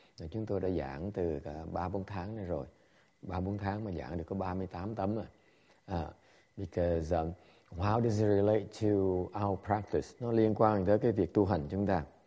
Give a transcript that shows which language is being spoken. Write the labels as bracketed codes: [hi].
[vi] Chúng tôi đã giảng từ 3-4 tháng này rồi. 3-4 tháng mà giảng được có 38 tấm rồi. [en] Because how does it relate to our practice? [vi] Nó liên quan tới cái việc tu hành chúng ta.